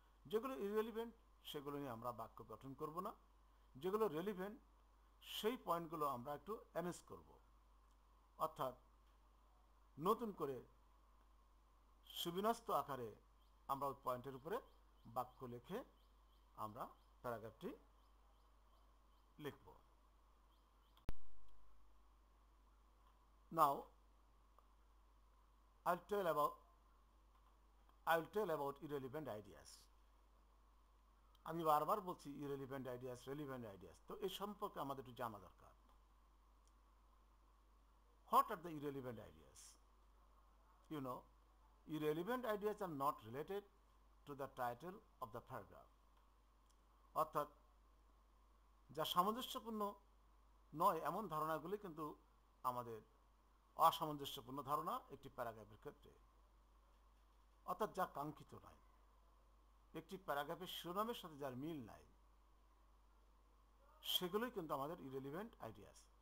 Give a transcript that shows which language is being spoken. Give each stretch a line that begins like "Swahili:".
Bangla: যেগুলো ইরেলিভেন্ট সেগুলো নিয়ে আমরা বাক্য গঠন করব না, যেগুলো রেলিভেন্ট সেই পয়েন্টগুলো আমরা একটু অ্যামেস করব, অর্থাৎ নতুন করে সুবিন্যস্ত আকারে আমরা ওই পয়েন্টের উপরে বাক্য লিখে আমরা প্যারাগ্রাফটি লিখব।
English: Now, I'll tell about irrelevant ideas.
Bangla: আমি বারবার বলছি
English: irrelevant ideas, relevant ideas.
Bangla: তো এই সম্পর্কে আমাদের একটু জানা দরকার।
English: What are the irrelevant ideas? You know, irrelevant ideas are not related to the title of the paragraph.
Bangla: অর্থাৎ যা সামঞ্জস্যপূর্ণ নয় এমন ধারণাগুলি কিন্তু আমাদের অসামঞ্জস্যপূর্ণ ধারণা একটি প্যারাগ্রাফের ক্ষেত্রে, অর্থাৎ যা কাঙ্ক্ষিত নয়, একটি প্যারাগ্রাফের শিরোনামের সাথে যার মিল নাই, সেগুলোই কিন্তু আমাদের ইরেলিভেন্ট আইডিয়াস।